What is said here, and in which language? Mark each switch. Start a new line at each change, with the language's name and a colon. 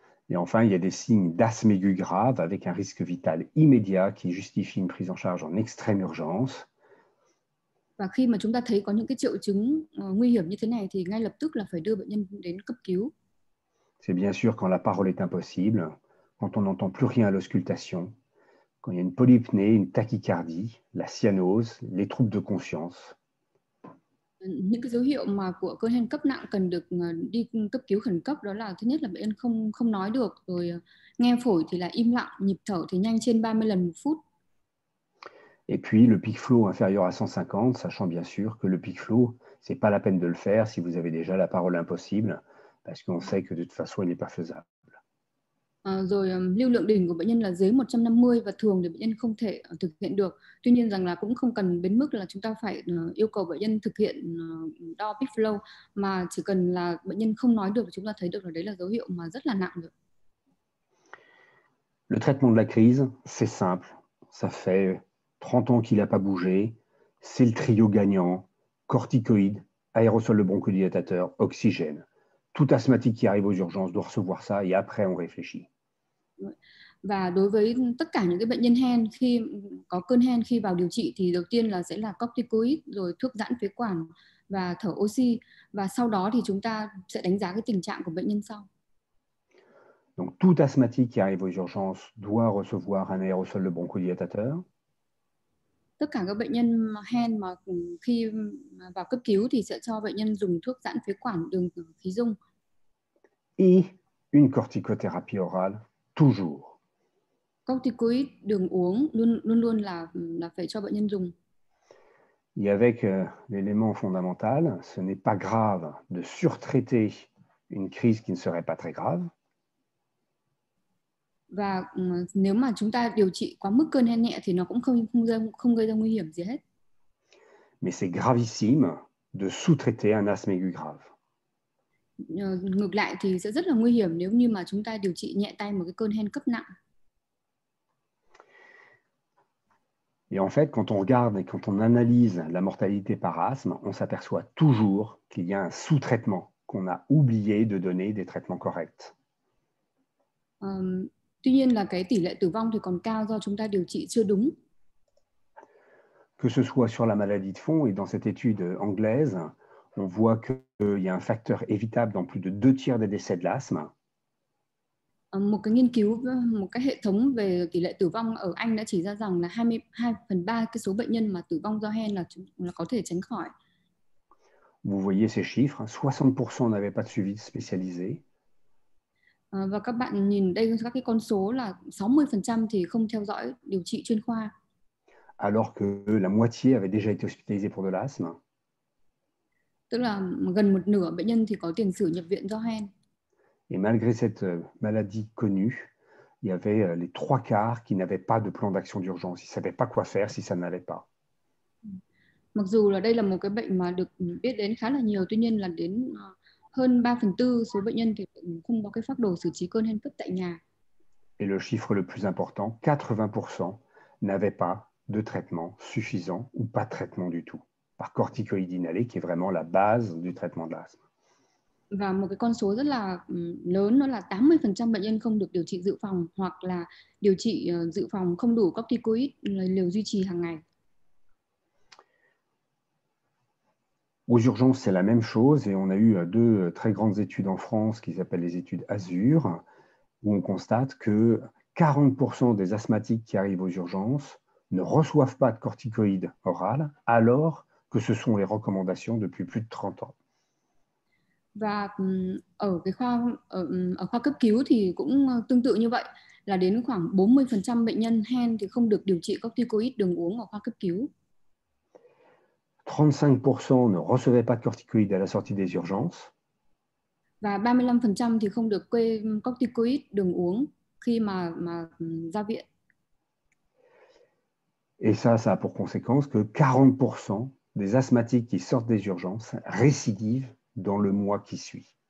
French: Et enfin, il y a des signes d'asthme aiguë grave avec un risque vital immédiat qui justifie une prise en charge en extrême urgence.
Vietnamese: Và khi mà chúng ta thấy có những cái triệu chứng nguy hiểm như thế này thì ngay lập tức là phải đưa bệnh nhân đến cấp cứu.
French: C'est bien sûr quand la parole est impossible, quand on n'entend plus rien à l'auscultation, quand il y a une polypnée, une tachycardie, la cyanose, les troubles de conscience.
Vietnamese: Những cái dấu hiệu mà của cơn hen cấp nặng cần được đi cấp cứu khẩn cấp đó là thứ nhất là bệnh nhân không không nói được, rồi nghe phổi thì là im lặng, nhịp thở thì nhanh trên 30 lần một phút.
French: Et puis le peak flow inférieur à 150, sachant bien sûr que le peak flow, ce n'est pas la peine de le faire si vous avez déjà la parole impossible, parce qu'on sait que de toute façon, il n'est pas faisable.
Vietnamese: Rồi lưu lượng đỉnh của bệnh nhân là dưới 150 và thường thì bệnh nhân không thể thực hiện được. Tuy nhiên rằng là cũng không cần đến mức là chúng ta phải yêu cầu bệnh nhân thực hiện đo peak flow, mà chỉ cần là bệnh nhân không nói được, chúng ta thấy được là đấy là dấu hiệu mà rất là nặng rồi.
French: Le traitement de la crise, c'est simple, ça fait 30 ans qu'il n'a pas bougé, c'est le trio gagnant, corticoïdes, aérosol de bronchodilatateur, oxygène. Tout asthmatique qui arrive aux urgences doit recevoir ça et après on réfléchit.
Vietnamese: Và đối với tất cả những cái bệnh nhân hen khi có cơn hen khi vào điều trị thì đầu tiên là sẽ là corticoid rồi thuốc giãn phế quản và thở oxy và sau đó thì chúng ta sẽ đánh giá cái tình trạng của bệnh nhân sau.
French: Donc tout asthmatique qui arrive aux urgences doit recevoir un aérosol de bronchodilatateur.
Vietnamese: Tất cả các bệnh nhân hen mà khi vào cấp cứu thì sẽ cho bệnh nhân dùng thuốc giãn phế quản đường khí dung.
French: Et une corticothérapie orale, toujours.
Vietnamese: Corticoïdes đường uống luôn luôn luôn là phải cho bệnh nhân dùng.
French: Et avec l'élément fondamental, ce n'est pas grave de surtraiter une crise qui ne serait pas très grave.
Vietnamese: Và nếu mà chúng ta điều trị quá mức cơn hen nhẹ thì nó cũng không gây ra nguy hiểm gì hết.
French: Mais c'est gravissime de sous-traiter un asthme aigu grave.
Vietnamese: Ngược lại thì sẽ rất là nguy hiểm nếu như mà chúng ta điều trị nhẹ tay một cái cơn hen cấp nặng.
French: Et en fait, quand on regarde et quand on analyse la mortalité par asthme, on s'aperçoit toujours qu'il y a un sous-traitement, qu'on a oublié de donner des traitements corrects.
Vietnamese: Tuy nhiên là cái tỷ lệ tử vong thì còn cao do chúng ta điều trị chưa đúng.
French: Que ce soit sur la maladie de fond et dans cette étude anglaise, on voit qu'il y a un facteur évitable dans plus de deux tiers des décès de l'asthme.
Vietnamese: Một cái nghiên cứu, một cái hệ thống về tỷ lệ tử vong ở Anh đã chỉ ra rằng là 22 phần 3 cái số bệnh nhân mà tử vong do hen là có thể tránh khỏi.
French: Vous voyez ces chiffres, 60% n'avaient pas de suivi spécialisé.
Vietnamese: Và các bạn nhìn đây các cái con số là 60% thì không theo dõi điều trị chuyên khoa.
French: Alors que la moitié avait déjà été hospitalisée pour de l'asthme.
Vietnamese: Tức là gần một nửa bệnh nhân thì có tiền sử nhập viện do hen.
French: Et malgré cette maladie connue, il y avait les trois quarts qui n'avaient pas de plan d'action d'urgence. Ils ne savaient pas quoi faire si ça n'allait pas.
Vietnamese: Mặc dù là đây là một cái bệnh mà được biết đến khá là nhiều, tuy nhiên là đến hơn 3 phần 4 số bệnh nhân thì không có cái phác đồ xử trí cơn hen cấp tại nhà.
French: Et le chiffre le plus important, 80% n'avaient pas de traitement suffisant ou pas de traitement du tout, par corticoïde inhalé, qui est vraiment la base du traitement de l'asthme.
Vietnamese: Và một cái con số rất là lớn, nó là 80% bệnh nhân không được điều trị dự phòng hoặc là điều trị dự phòng không đủ corticoid liều duy trì hàng ngày.
French: Aux urgences, c'est la même chose et on a eu deux très grandes études en France qui s'appellent les études Azur, où on constate que 40% des asthmatiques qui arrivent aux urgences ne reçoivent pas de corticoïdes orales, alors que ce sont les recommandations depuis plus de 30 ans.
Vietnamese: Và ở cái khoa ở khoa cấp cứu thì cũng tương tự như vậy, là đến khoảng 40% bệnh nhân hen thì không được điều trị corticoid đường uống ở khoa cấp cứu.
French: 35% ne recevaient pas de corticoïdes à la sortie des urgences.
Vietnamese: Và 35% thì không được kê corticoid đường uống khi mà ra viện.
French: Et ça a pour conséquence que 40% des asthmatiques qui sortent des urgences récidivent dans le mois qui suit.